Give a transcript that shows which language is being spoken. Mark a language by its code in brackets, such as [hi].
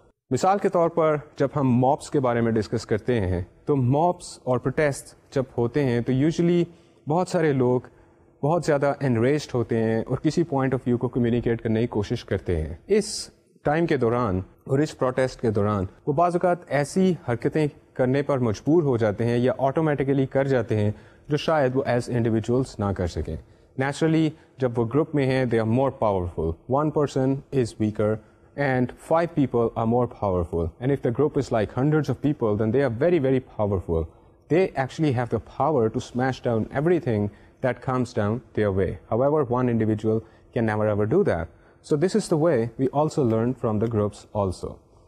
[ur] مثال کے طور پر جب ہم موبس کے بارے میں ڈسکس کرتے ہیں تو موبس اور پروٹیسٹ جب ہوتے ہیں تو یوزلی بہت سارے لوگ بہت زیادہ انریجڈ ہوتے ہیں اور کسی پوائنٹ آف ویو کو کمیونیکیٹ کرنے کی کوشش کرتے ہیں. اس ٹائم کے دوران اور اس پروٹیسٹ کے دوران وہ بعض اوقات ایسی حرکتیں کرنے پر مجبور ہو جاتے ہیں یا آٹومیٹیکلی کر جاتے ہیں جو شاید وہ ایز انڈیویجولس نہ کر سکیں. [en] Naturally جب وہ group میں ہیں they are more powerful, one person is weaker and five people are more powerful, and if the group is like hundred of people then they are very very powerful, they actually have the power to smash down everything that comes down their way. However, one individual can never ever do that. So this is the way we also learn from the groups also.